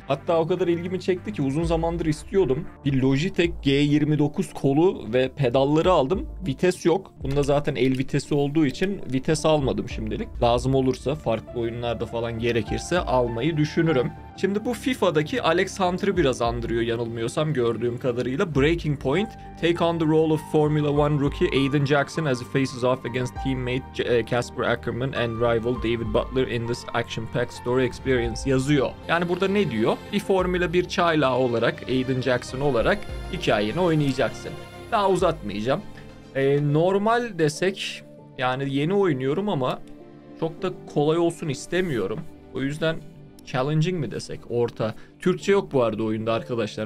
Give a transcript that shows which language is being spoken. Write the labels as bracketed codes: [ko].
[tr] Hatta o kadar ilgimi çekti ki uzun zamandır istiyordum. Bir Logitech G29 kolu ve pedalları aldım. Vites yok. Bunda zaten el vitesi olduğu için vites almadım şimdilik. Lazım olursa farklı oyunlarda falan gerekirse almayı düşünürüm. Şimdi bu FIFA'daki Alex Hunter'ı biraz andırıyor yanılmıyorsam gördüğüm kadarıyla. [en] Breaking Point, Take on the Role of Formula One Rookie Aiden Jackson as he faces off against teammate Casper Ackerman and rival David Butler in this action-packed story experience [tr] yazıyor. Yani burada ne diyor? Bir Formula 1 çaylağı olarak, Aiden Jackson olarak hikayeni oynayacaksın. Daha uzatmayacağım. Normal desek, yani yeni oynuyorum ama çok da kolay olsun istemiyorum. O yüzden challenging mi desek, orta. Türkçe yok bu arada oyunda arkadaşlar.